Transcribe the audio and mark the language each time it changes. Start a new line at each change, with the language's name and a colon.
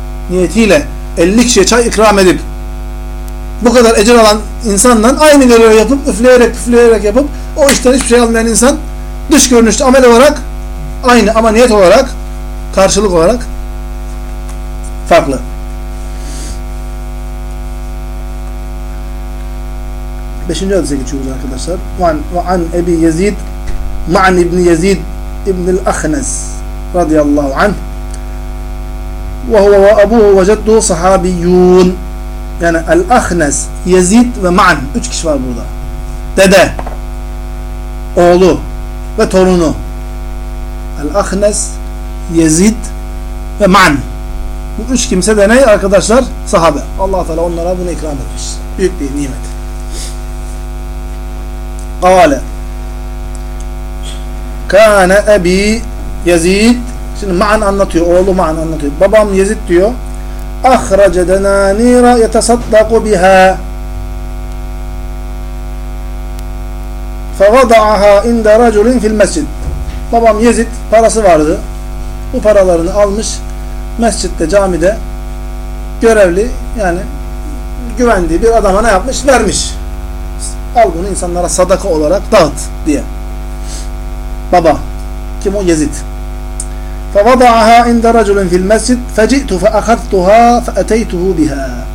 Turkish: Niyetiyle 50 kişiye çay ikram edip bu kadar ecir alan insandan aynı görevi yapıp üfleyerek üfleyerek yapıp o işten hiçbir şey almayan insan dış görünüşte amel olarak aynı ama niyet olarak karşılık olarak farklı. Beşinci hadise geçiyoruz arkadaşlar.
Arabic: وَعَنْ اَبِي يَزِيدْ مَعَنْ اِبْنِ يَزِيدْ ابن الأخنس رضي الله عنه وهو وأبوه وجده صحابيون يعني الأخنس يزيد ومعن
Turkish: 3 kişi var burada. Dede, oğlu ve torunu.
Arabic: الأخنس يزيد ومعن.
Turkish: Bu 3 kimse de ne arkadaşlar? Sahabe. Allah Teala onlara bunu ikram etmiş. Büyük bir nimet.
Arabic: قال كان ابي يزيد
Turkish: şimdi ma'an anlatıyor, oğlu ma'an anlatıyor. Babam Yezid diyor.
Arabic: اخرج دنانير يتصدق بها فوضعها عند رجل في المسجد.
Turkish: Babam Yezid parası vardı. Bu paralarını almış mescitte, camide görevli yani güvendiği bir adama ne yapmış? Vermiş. Al bunu insanlara sadaka olarak dağıt diye. Baba. Kim o? Yezid.
Arabic: فَوَضَعَهَا اِنْدَ رَجُلٍ فِي الْمَسْجِدْ فَجِئْتُ فَأَخَذْتُهَا فَأَتَيْتُهُ بِهَا.